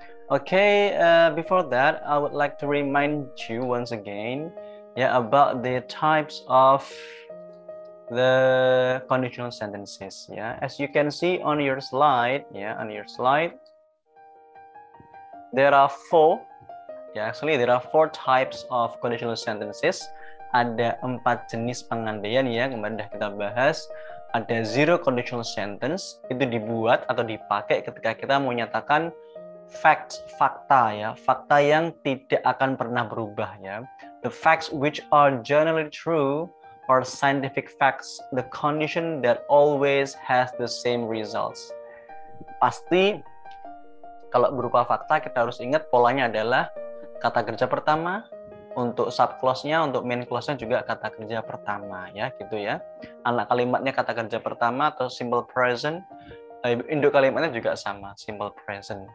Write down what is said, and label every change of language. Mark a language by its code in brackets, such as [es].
[en] Okay, before that, I would like to remind you once again, yeah, about the types of the conditional sentences, yeah. As you can see on your slide, yeah, on your slide, there are four, yeah, actually there are four types of conditional sentences. [id] Ada empat jenis pengandaian, ya, kemarin sudah kita bahas. Ada [en] zero conditional sentence, [id] itu dibuat atau dipakai ketika kita mau menyatakan facts, fakta, ya, fakta yang tidak akan pernah berubah, ya. [en] The facts which are generally true or scientific facts, the condition that always has the same results. [id] Pasti kalau berupa fakta, kita harus ingat polanya adalah kata kerja pertama, untuk sub clause-nya, untuk main clause-nya juga kata kerja pertama, ya, gitu ya. Anak kalimatnya kata kerja pertama atau simple present, induk kalimatnya juga sama, simple present.